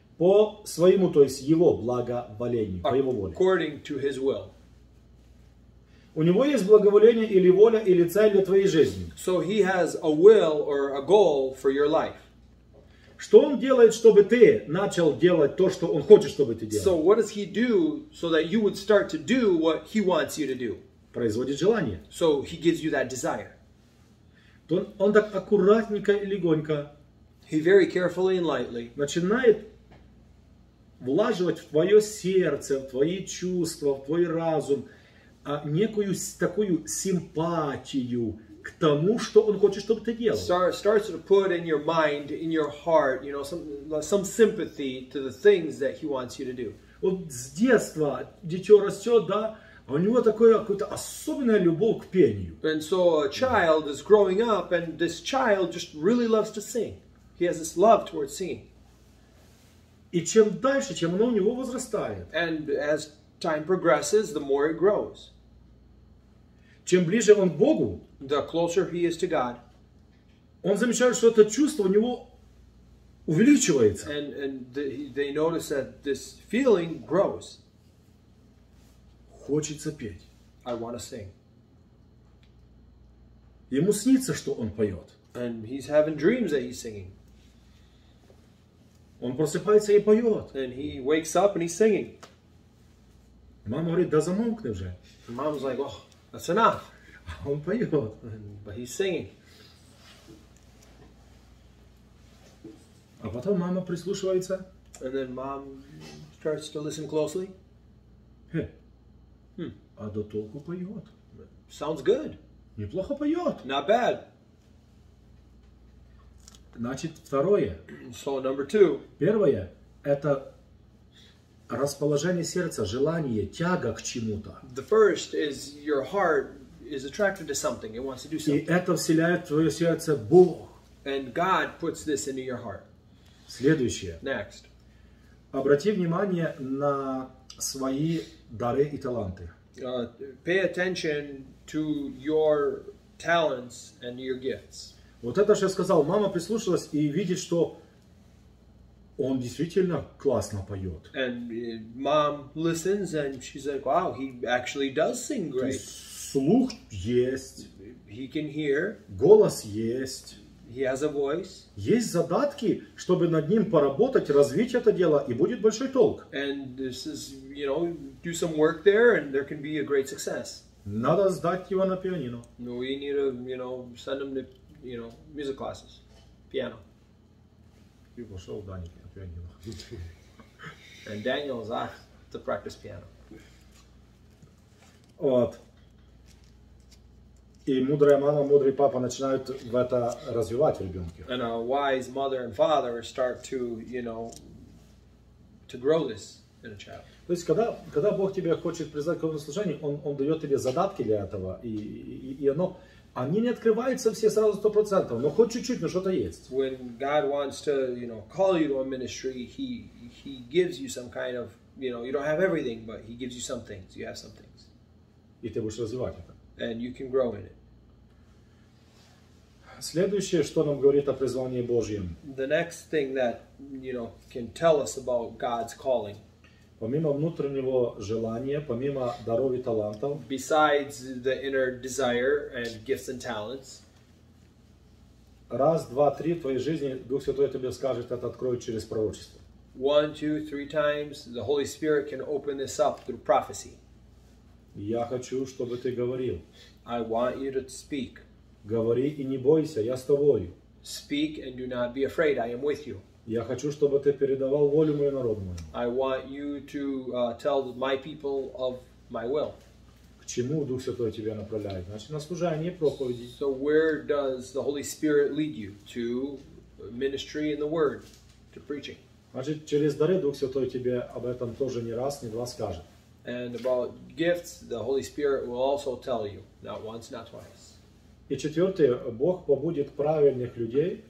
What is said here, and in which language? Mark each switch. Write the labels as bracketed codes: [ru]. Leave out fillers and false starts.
[ru] По своему, то есть его благоволению, по его воле. [en] According to his will. [ru] У него есть благоволение или воля, или цель для твоей жизни. [en] So he has a will or a goal for your life. [ru] Что он делает, чтобы ты начал делать то, что он хочет, чтобы ты делал? [en] So what does he do so that you would start to do what he wants you to do? [ru] Производит желание. [en] So he gives you that desire. [ru] Он так аккуратненько и легонько. [en] He very carefully and lightly. [ru] Начинает влаживать в твое сердце, в твои чувства, в твой разум некую такую симпатию к тому, что он хочет, чтобы ты делал. [en] Starts to put in your mind, in your heart, you know, some sympathy to the things that he wants you to do. [ru] Вот с детства дитё растёт, да, а у него такое какое-то особенное любовь к пению. [en] And so a child is growing up, and this child just really loves to sing. He has this love towards singing. [ru] И чем дальше, чем оно у него возрастает. [en] And as time progresses, the more it grows. [ru] Чем ближе он к Богу, [en] the closer he is to God. [ru] Он замечает, что это чувство у него увеличивается. [en] And they notice that this feeling grows. [ru] Хочется петь. [en] I want to sing. [ru] Ему снится, что он поет. [en] And he's having dreams that he's singing. [ru] Он просыпается и поет. [en] And he wakes up and he's singing. [ru] Мама говорит, да замолкни уже. [en] Mom's like, oh, that's enough. [ru] Он поет. [en] But he's singing. [ru] А потом мама прислушивается. [en] And then mom starts to listen closely. [ru] А до толку поет. [en] Sounds good. [ru] Неплохо поет. [en] Not bad. [ru] Значит, второе. [en] So number two. [ru] Первое – это расположение сердца, желание, тяга к чему-то. [en] The first is your heart is attracted to something. It wants to do something. [ru] И это вселяет в твое сердце Бог. [en] And God puts this into your heart. [ru] Следующее. [en] Next. [ru] Обрати внимание на свои дары и таланты. [en] Pay attention to your talents and your gifts. [ru] Вот это же я сказал, мама прислушалась и видит, что он действительно классно поет. [en] And mom listens and she's like, wow, he actually does sing great. [ru] То есть слух есть. [en] He can hear. [ru] Голос есть. [en] He has a voice. [ru] Есть задатки, чтобы над ним поработать, развить это дело, и будет большой толк. [en] And this is, you know, do some work there, and there can be a great success. [ru] Надо сдать его на пианино. [en] We need to, you know, send him to, you know, music classes, piano. [ru] И пошел Даник на пианино. [en] And Daniel's off to practice piano. [ru] Вот. И мудрая мама, мудрый папа начинают в это развивать ребенка. [en] And a wise mother and father start to, you know, to grow this in a child. [ru] То есть, когда Бог тебе хочет призвать к этому служению, он дает тебе задатки для этого, и оно, они не открываются все сразу 100%, но хоть чуть-чуть, но что-то есть. [en] When God wants to, you know, call you to a ministry, he gives you some kind of, you know, you don't have everything, but he gives you some things, you have some things. [ru] И ты будешь развивать это. [en] And you can grow in it. [ru] Следующее, что нам говорит о призвании Божьем. [en] The next thing that, you know, can tell us about God's calling. [ru] Помимо внутреннего желания, помимо даров и талантов. [en] Besides the inner desire and gifts and talents. [ru] Раз, два, три в твоей жизни Дух Святой тебе скажет, это откроет через пророчество. [en] One, two, three times the Holy Spirit can open this up through prophecy. [ru] Я хочу, чтобы ты говорил. [en] I want you to speak. [ru] Говори и не бойся, я с тобою. [en] Speak and do not be afraid, I am with you. [ru] Я хочу, чтобы ты передавал волю мою народу. [en] I want you to tell my people of my will. [ru] К чему Дух Святой тебя направляет? Значит, на служение, проповеди. [en] So where does the Holy Spirit lead you? To ministry in the word, to preaching. [ru] Значит, через дары Дух Святой тебе об этом тоже не раз, не два скажет. [en] And about gifts, the Holy Spirit will also tell you, not once, not twice. [ru] И четвертое, Бог побудит правильных людей.